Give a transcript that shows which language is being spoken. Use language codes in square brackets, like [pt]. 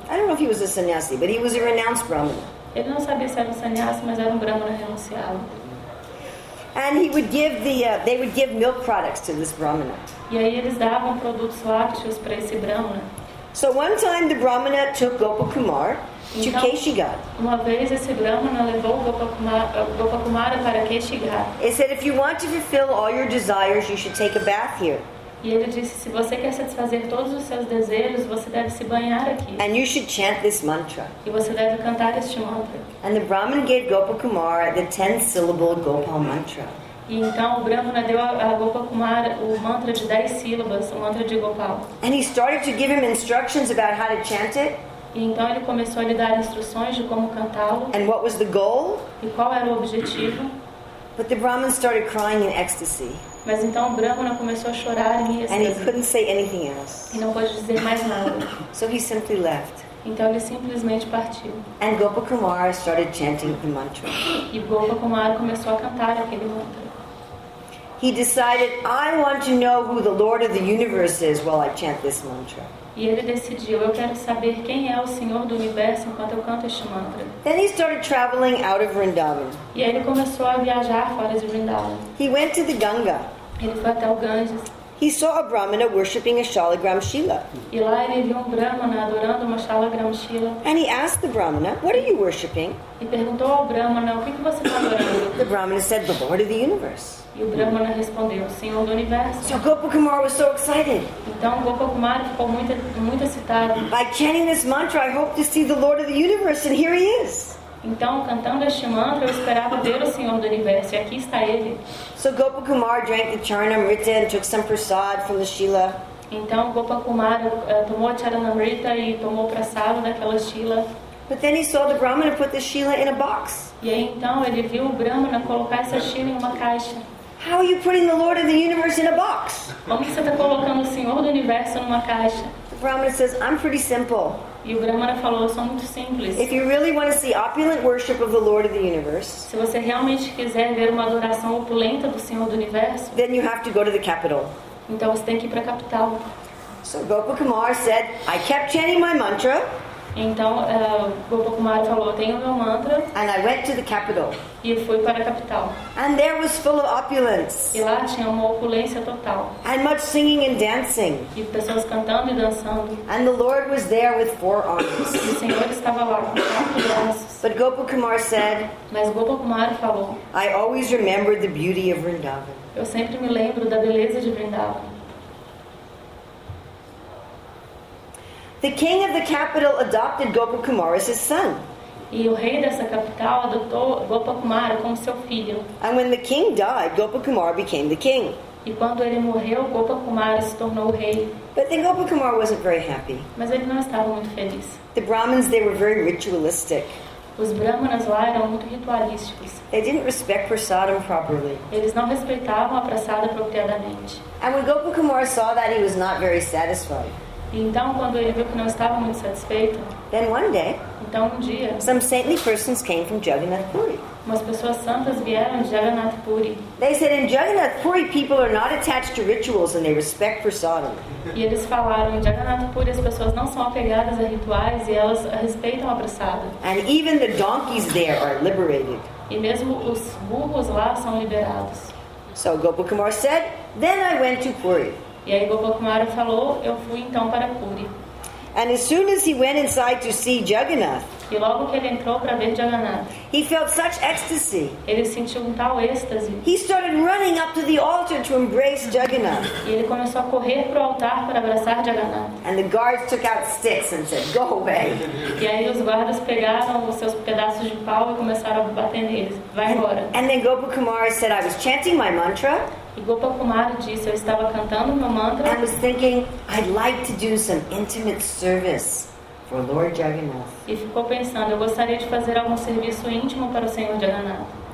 [en] I don't know if he was a sannyasi, but he was a renounced Brahmin. [pt] Ele não sabia se era um sannyasi, mas era um Brahmana renunciado. [en] And he would give they would give milk products to this Brahmana. [pt] E aí eles davam produtos lácteos para esse Brahmana. [en] So one time the Brahmana took Gopakumar to Keshigat. [pt] Uma vez esse Brahmana levou Gopakumar para Keshigat. [en] He said, if you want to fulfill all your desires, you should take a bath here. [pt] E ele disse, se você quer satisfazer todos os seus desejos, você deve se banhar aqui. [en] And you should chant this mantra. [pt] E você deve cantar este mantra. [en] And the Brahmin gave Gopakumar the 10-syllable Gopal mantra. [pt] E então o Brahmana deu a Gopakumar o mantra de 10 sílabas, o mantra de Gopal. [en] And he started to give him instructions about how to chant it. [pt] E então ele começou a lhe dar instruções de como cantá-lo. [en] And what was the goal? [pt] E qual era o objetivo? [en] But the Brahmin started crying in ecstasy. [pt] Mas então o Brahmana começou a chorar em êxtase. [en] And he couldn't say anything else. [pt] E não pôde dizer mais nada. [en] So he simply left. [pt] Então ele simplesmente partiu. [en] And Gopakumar started chanting the mantra. [pt] E Gopakumar começou a cantar aquele mantra. [en] He decided, I want to know who the Lord of the universe is while I chant this mantra. [pt] E ele decidiu, eu quero saber quem é o Senhor do universo enquanto eu canto este mantra. [en] Then he started traveling out of Vrindavan. [pt] E ele começou a viajar fora de Vrindavan. [en] He went to the Ganga. [pt] Ele foi até o Ganges. [en] He saw a Brahmana worshipping a Shalagram Shila. [pt] E lá ele viu um Brahmana adorando uma Shalagram Shila. [en] And he asked the Brahmana, what are you worshipping? [pt] E perguntou ao Brahmana, o que que você está adorando? [en] The Brahmana said, the Lord of the universe. [pt] E o Brahmana respondeu, Senhor do Universo. [en] So Gopakumar was so excited. [pt] Então Gopakumar ficou muito excitado. [en] By chanting this mantra, I hope to see the Lord of the Universe, and here he is. [pt] Então cantando este mantra, eu esperava ver o Senhor do Universo, e aqui está ele. [en] So Gopakumar drank the charanamrita and took some prasad from the shila. [pt] Então Gopakumar tomou a charanamrita e tomou prasada daquela shila. [en] But then he saw the Brahmana put the shila in a box. [pt] E aí então ele viu o Brahmana colocar essa shila em uma caixa. [en] How are you putting the Lord of the Universe in a box? [pt] Como você está colocando o Senhor do Universo numa caixa? [en] The Brahmana says, I'm pretty simple. [pt] E o Brahmana falou, eu sou muito simples. [en] If you really want to see opulent worship of the Lord of the Universe, [pt] se você realmente quiser ver uma adoração opulenta do Senhor do Universo, [en] then you have to go to the capital. [pt] Então você tem que ir para a capital. [en] So Gopakumar said, I kept chanting my mantra. [pt] Então, Gopa Kumara falou, tenho meu mantra. [en] And I went to the capital. [pt] E fui para a capital. [en] And there was full of opulence. [pt] E lá tinha uma opulência total. [en] And much singing and dancing. [pt] E pessoas cantando e dançando. [en] And the Lord was there with four arms. [pt] E o Senhor estava lá com quatro braços. [en] But Gopa Kumara said, [pt] mas Gopa Kumara falou, [en] I always remember the beauty of Vrindavan. [pt] Eu sempre me lembro da beleza de Vrindavan. [en] The king of the capital adopted Gopa Kumara as his son. [pt] E o rei dessa capital adotou Gopa Kumara como seu filho. [en] And when the king died, Gopa Kumara became the king. [pt] E quando ele morreu, Gopa Kumara se tornou o rei. [en] But then Gopa Kumara wasn't very happy. [pt] Mas ele não estava muito feliz. [en] The Brahmins, they were very ritualistic. [pt] Os Brahmanas lá eram muito ritualísticos. [en] They didn't respect prasadam properly. [pt] Eles não respeitavam a prasada apropriadamente. [en] And when Gopa Kumara saw that, he was not very satisfied. [pt] Então, quando ele viu que não estava muito satisfeito, [en] then one day, [pt] então um dia, [en] some saintly persons came from Jagannath Puri. [pt] Umas pessoas santas vieram de Jagannath Puri. [en] They said, in Jagannath Puri, people are not attached to rituals and they respect prasadam. [pt] E eles falaram, em Jagannath Puri, as pessoas não são apegadas a rituais e elas respeitam a prasada. [en] And even the donkeys there are liberated. [pt] E mesmo os burros lá são liberados. [en] So Gopa Kumara said, then I went to Puri. [pt] E aí Gopa Kumara falou, eu fui então para Puri. [en] And as soon as he went inside to see Jagannath, [pt] e logo que ele entrou para ver Jagannath, [en] he felt such ecstasy. [pt] Ele sentiu um tal êxtase. [en] He started running up to the altar to embrace Jagannath. [pt] E ele começou a correr para o altar para abraçar Jagannath. [en] And the guards took out sticks and said, go away. [pt] E aí os guardas pegaram os seus pedaços de pau e começaram a bater neles. Vai embora. [en] And then Gopa Kumara said, I was chanting my mantra. [pt] E Gopa Kumara disse, eu estava cantando meu mantra. [en] I was thinking, I'd like to do some intimate service for Lord Jagannath. [pt] E ficou pensando, eu gostaria de fazer algum serviço íntimo para o Senhor Jagannath.